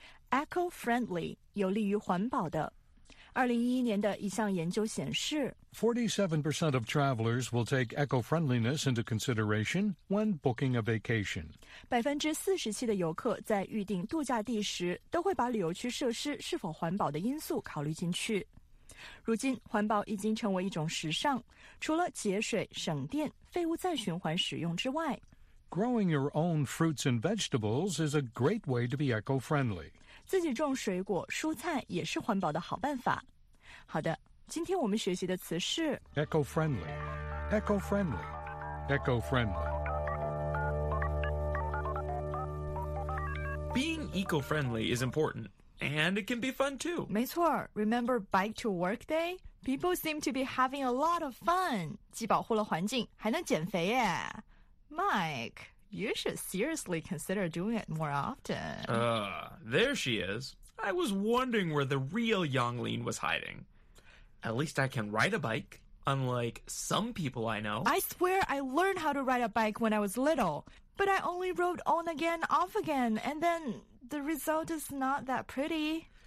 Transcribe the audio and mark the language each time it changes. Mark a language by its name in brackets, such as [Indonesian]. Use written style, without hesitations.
[Chinese] Eco-friendly, 有利于环保的。 2011年的一项研究显示 [English] 47% of travelers will take eco-friendliness into consideration when booking a vacation. [Chinese] 47%的游客在预订度假地时都会把旅游区设施是否环保的因素考虑进去。如今环保已经成为一种时尚，除了节水、省电、废物再循环使用之外。 [English] Growing your own fruits and vegetables is a great way to be eco-friendly. [Chinese] 自己种水果、蔬菜也是环保的好办法。好的，今天我们学习的词是 [English] eco-friendly, eco-friendly, eco-friendly. Being eco-friendly is important, and it can be fun too. 没错 ,remember bike to work day? People seem to be having a lot of fun. [Chinese] 既保护了环境，还能减肥耶。 [English] Mike, you should seriously consider doing it more often. There she is. I was wondering where the real Yonglin was hiding. At least I can ride a bike, unlike some people I know. I swear I learned how to ride a bike when I was little, but I only rode on again, off again, and then the result is not that pretty.